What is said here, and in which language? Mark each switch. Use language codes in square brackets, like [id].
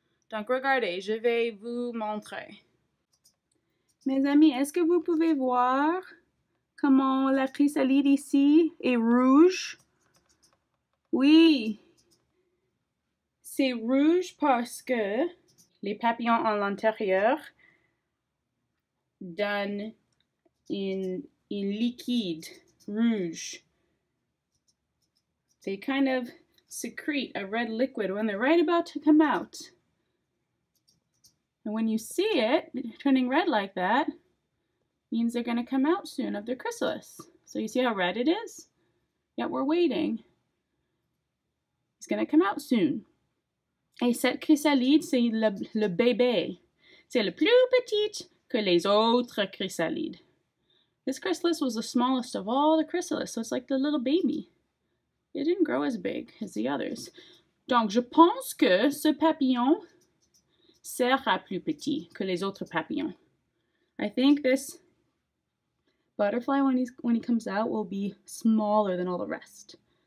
[fr] Donc, regardez, je vais vous montrer. Mes amis, est-ce que vous pouvez voir comment la chrysalide ici est rouge? Oui, c'est rouge parce que les papillons à l'intérieur donnent une liquide rouge. [en] They kind of secrete a red liquid when they're right about to come out. And when you see it turning red like that, means they're going to come out soon of their chrysalis. So you see how red it is? Yeah, we're waiting. It's going to come out soon. [fr] Et cette chrysalide, c'est le bébé. C'est le plus petit que les autres chrysalides. [en] This chrysalis was the smallest of all the chrysalis, so it's like the little baby. It didn't grow as big as the others. [fr] Donc, je pense que ce papillon sera plus petit que les autres papillons. [en] I think this butterfly, when he comes out, will be smaller than all the rest.